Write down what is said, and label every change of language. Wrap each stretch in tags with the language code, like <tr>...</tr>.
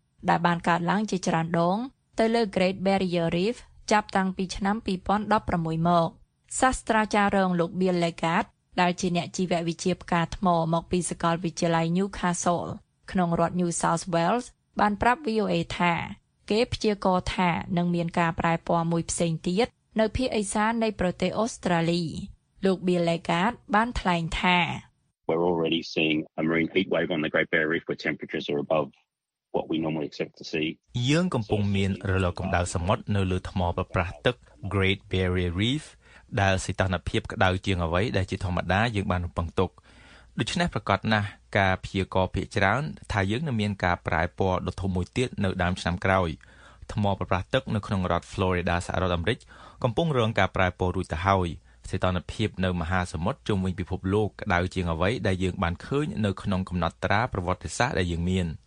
<km>ដែលបានកើតឡើងជាច្រើនដងទៅលើ Great Barrier Reef ចាប់តាំងពីឆ្នាំ2016មកសាស្ត្រាចារ្យរងលោក Bill Legard ដែលជាអ្នកជីវវិទ្យាផ្កាថ្មមកពីសាកលវិទ្យាល័យ Newcastle ក្នុងរដ្ឋ New South Wales បានប្រាប់ VOA ថាគេព្យាករណ៍ថានឹងមានការប្រែប្រួលមួយផ្សេងទៀតនៅភាគឦសាននៃប្រទេសអូស្ត្រាលីលោក Bill Legard បានថ្លែងថា</km> <en>We're already seeing a marine heat wave on the Great Barrier Reef with temperatures are above what we normally expect to see</en> <km>យើងកំពុងមានរលកកម្ដៅសមុទ្រនៅលើថ្មប្រប្រះទឹក Great Barrier Reef ដែលសីតុណ្ហភាពក្តៅជាងអ្វីដែលជាធម្មតាយើងបានរំពឹងទុកដូច្នេះប្រកាសណាស់ការព្យាករណ៍ភាគច្រើនថាយើងនឹងមានការប្រែពណ៌ដ៏ធំមួយទៀតនៅដើមឆ្នាំក្រោយថ្មប្រប្រះទឹកនៅក្នុងរដ្ឋ Florida សហរដ្ឋអាមេរិកកំពុងរងការប្រែពណ៌រួចទៅហើយសីតុណ្ហភាពនៅមហាសមុទ្រជុំវិញពិភពលោកក្តៅជាងអ្វីដែលយើងបានឃើញនៅក្នុងកំណត់ត្រាប្រវត្តិសាស្ត្រដែលយើងមាន</km>